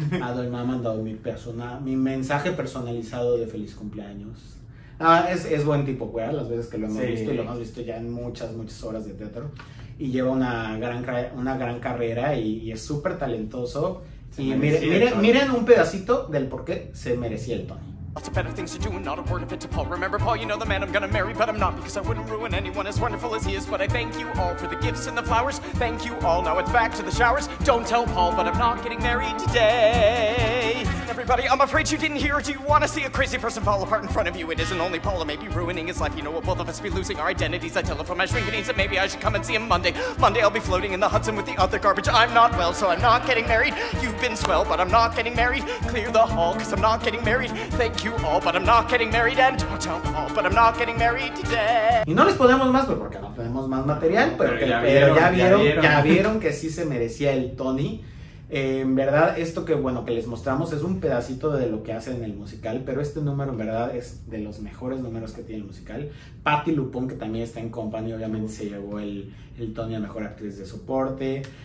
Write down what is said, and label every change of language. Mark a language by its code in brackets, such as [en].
[es] Matt Doyle me ha mandado mi mensaje personalizado de feliz cumpleaños. Ah, es buen tipo, güey, las veces que lo hemos visto y lo hemos visto ya en muchas, muchas horas de teatro. Y lleva una gran carrera y es súper talentoso. Miren un pedacito del por qué se merecía el Tony. [en] Lots of better things to do and not a word of it to Paul. Remember, Paul, you know the man I'm gonna marry, but I'm not, because I wouldn't ruin anyone as wonderful as he is. But I thank you all for the gifts and the flowers. Thank you all, now it's back to the showers. Don't tell Paul, but I'm not getting married today. Everybody, I'm afraid you didn't hear. Do you want to see a crazy person fall apart in front of you? It isn't only Paul, it may be ruining his life. You know what, both of us be losing our identities. I tell him from my shrinking needs that maybe I should come and see him Monday. Monday I'll be floating in the Hudson with the other garbage. I'm not well, so I'm not getting married. You've been swell, but I'm not getting married. Clear the hall, cause I'm not getting married. Thank you all, but I'm not getting married. And don't tell Paul, but I'm not getting married today. [es] Y no les podemos más, pero porque no tenemos más material. Pero ya vieron que sí se merecía el Tony. En verdad, esto que les mostramos es un pedacito de lo que hace en el musical, pero este número en verdad es de los mejores números que tiene el musical. Patti LuPone, que también está en Company, obviamente se llevó el Tony a Mejor Actriz de Soporte.